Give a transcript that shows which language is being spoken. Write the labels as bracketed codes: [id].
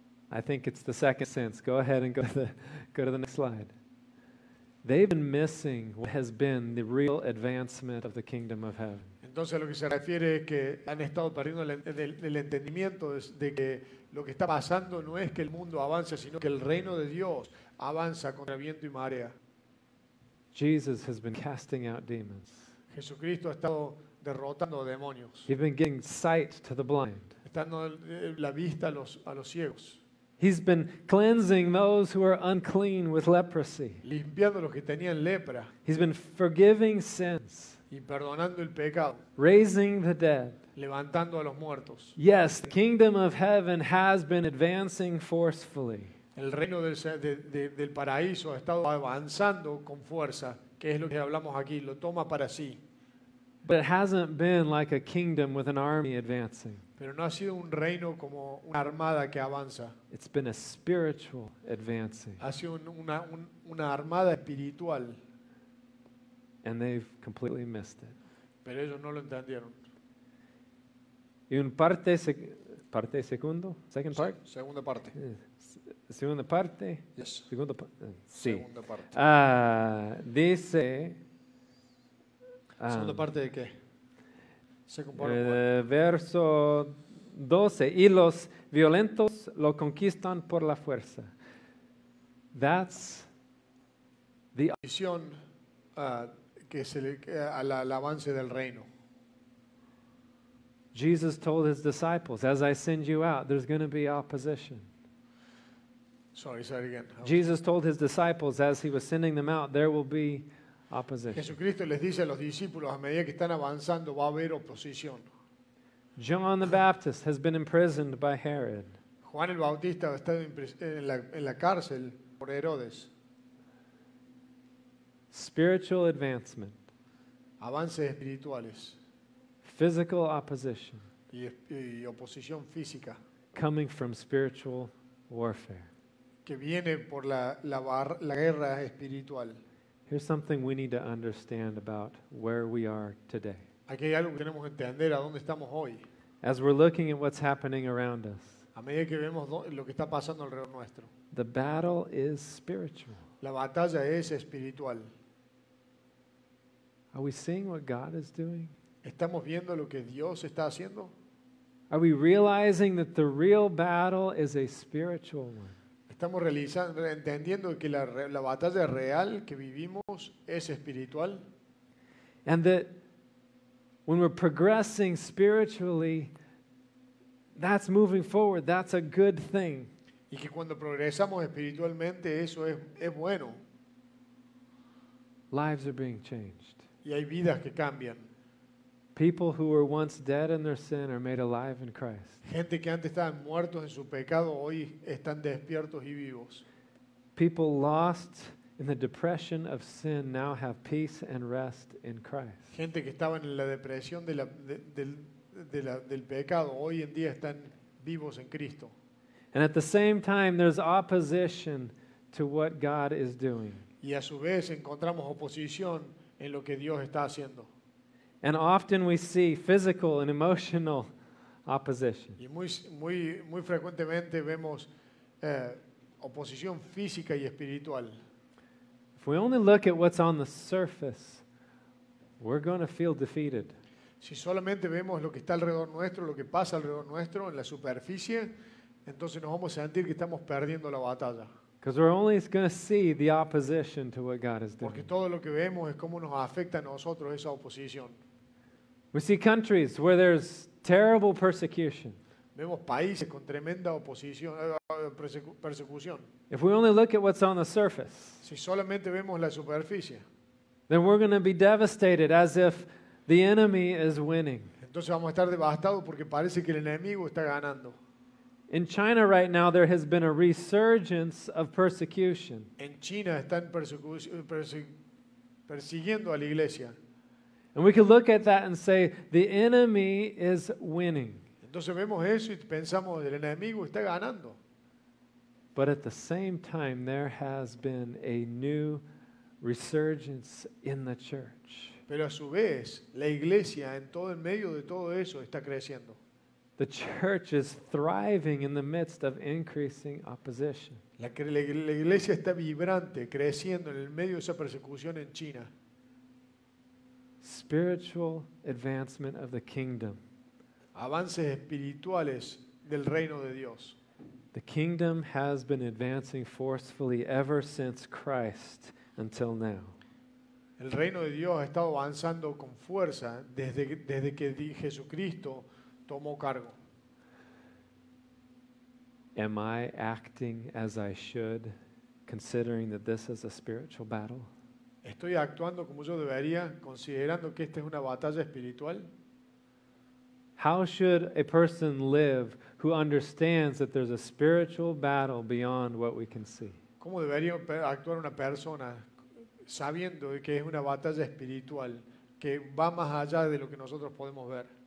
[en] I think it's the second sense. Go ahead and go to the next slide. They've been missing what has been the real advancement of the kingdom of heaven. [es] Entonces lo que se refiere es que han estado perdiendo el entendimiento de que lo que está pasando no es que el mundo avance, sino que el reino de Dios avanza contra viento y marea. [en] Jesus has been casting out demons. [es] Jesucristo ha estado derrotando demonios. [en] He's been giving sight to the blind. [es] Dando la vista a los ciegos. [en] He's been cleansing those who are unclean with leprosy. [es] Limpiando los que tenían lepra. [en] He's been forgiving sins. [es] Y perdonando el pecado. [en] Raising the dead. [es] Levantando a los muertos. [en] Yes, the kingdom of heaven has been advancing forcefully. [es] El reino del paraíso ha estado avanzando con fuerza, que es lo que hablamos aquí, lo toma para sí. [en] But it hasn't been like a kingdom with an army advancing. [es] Pero no ha sido un reino como una armada que avanza. [en] It's been a spiritual advancing. [es] Ha sido una armada espiritual. [en] And they've completely missed it. [es] Pero ellos no lo entendieron. Y un parte segundo? [en] Second part? [es] Segunda parte. Segunda parte? [en] Yes. [es] Segunda sí. Segunda parte. Dice... ¿Segunda parte de qué? Verso 12. Y los violentos lo conquistan por la fuerza. [en] That's the [es] opción que se le al avance del reino. [en] Jesus told his disciples, as I send you out, there's going to be opposition. Sorry, say it again. Jesus told his disciples, as he was sending them out, there will be opposition. [es] Jesucristo les dice a los discípulos, a medida que están avanzando, va a haber oposición. [en] John the Baptist has been imprisoned by Herod. [es] Juan el Bautista está en la cárcel por Herodes. [en] Spiritual advancement. [es] Avances espirituales. [en] Physical opposition. [es] Y oposición física. [en] Coming from spiritual warfare. [es] Que viene por la guerra espiritual. [en] Here's something we need to understand about where we are today. [es] Aquí hay algo que tenemos que entender a dónde estamos hoy. [en] As we're looking at what's happening around us. [es] A medida que vemos lo que está pasando alrededor nuestro. [en] The battle is spiritual. [es] La batalla es espiritual. [en] Are we seeing what God is doing? [es] ¿Estamos viendo lo que Dios está haciendo? [en] Are we realizing that the real battle is a spiritual one? [es] ¿Estamos entendiendo que la batalla real que vivimos es espiritual? [en] And that when we're progressing spiritually, that's moving forward, that's a good thing. [es] Y que cuando progresamos espiritualmente, eso es bueno. [en] Lives are being changed. [es] Y hay vidas que cambian. [en] People who were once dead in their sin are made alive in Christ. [es] Gente que antes estaban muertos en su pecado hoy están despiertos y vivos. [en] People lost in the depression of sin now have peace and rest in Christ. [es] Gente que estaba en la depresión del pecado hoy en día están vivos en Cristo. [en] And at the same time there's opposition to what God is doing. [es] Y a su vez encontramos oposición en lo que Dios está haciendo. [en] And often we see physical and emotional opposition. [es] Y muy frecuentemente vemos oposición física y espiritual. [en] If we only look at what's on the surface, we're going to feel defeated. [es] Si solamente vemos lo que está alrededor nuestro, lo que pasa alrededor nuestro en la superficie, entonces nos vamos a sentir que estamos perdiendo la batalla. [en] Because we're only going to see the opposition to what God is doing. [es] Porque todo lo que vemos es cómo nos afecta a nosotros esa oposición. [en] We see countries where there's terrible persecution. [es] Vemos países con tremenda oposición, persecución. [en] If we only look at what's on the surface, [es] si solamente vemos la superficie, [en] then we're going to be devastated as if the enemy is winning. [es] Entonces vamos a estar devastados porque parece que el enemigo está ganando. [en] In China right now, there has been a resurgence of persecution. [es] En China están persiguiendo a la iglesia. [en] And we can look at that and say, the enemy is winning. [es] Entonces vemos eso y pensamos, el enemigo está ganando. [en] But at the same time, there has been a new resurgence in the church. [es] Pero a su vez, la iglesia en todo el medio de todo eso está creciendo. [en] The church is thriving in the midst of increasing opposition. [es] La iglesia está vibrante, creciendo en el medio de esa persecución en China. [en] Spiritual advancement of the kingdom. [es] Avances espirituales del reino de Dios. [en] The kingdom has been advancing forcefully ever since Christ until now. [es] El reino de Dios ha estado avanzando con fuerza desde que Jesucristo tomó cargo. [en] Am I acting as I should, considering that this is a spiritual battle? [es] ¿Estoy actuando como yo debería, considerando que esta es una batalla espiritual? [en] How should a person live who understands that there's a spiritual battle beyond what we can see? [es] ¿Cómo debería actuar una persona sabiendo que es una batalla espiritual que va más allá de lo que nosotros podemos ver?